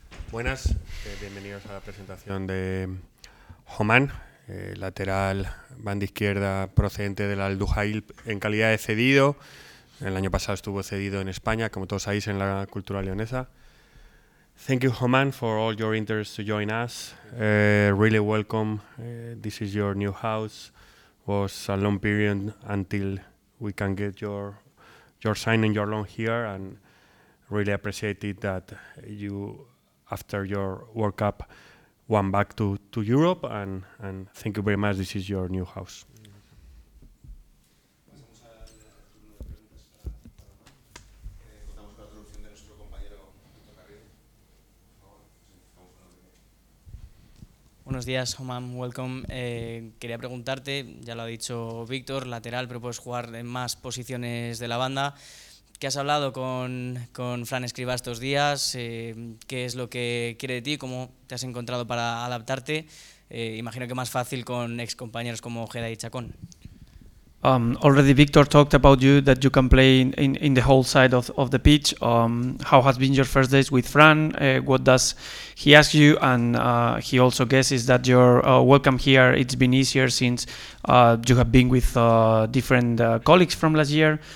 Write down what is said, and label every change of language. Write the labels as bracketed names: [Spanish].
[Spanish] Buenas, bienvenidos a la presentación de Homan, lateral banda izquierda procedente del Al-Duhail en calidad de cedido. El año pasado estuvo cedido en España, como todos sabéis, en la cultura leonesa. [English] Thank you, Homan, for all your interest to join us. Really welcome. This is your new house. Was a long period until we can get your sign and your loan here, and really appreciate it that you, after your World Cup, went back to Europe. And thank you very much. This is your new house. [Spanish] Buenos días, Homan, [English] welcome. [Spanish] Quería preguntarte, ya lo ha dicho Víctor, lateral, pero puedes jugar en más posiciones de la banda. ¿Qué has hablado con Fran Escribá estos días? ¿Qué es lo que quiere de ti? ¿Cómo te has encontrado para adaptarte? Imagino que más fácil con ex compañeros como Ojeda y Chacón. [English] Already Víctor talked about you, that you can play in the whole side of the pitch. How has been your first days with Fran? What does he ask you? And he also guesses that your welcome here, it's been easier since you have been with different colleagues from last year.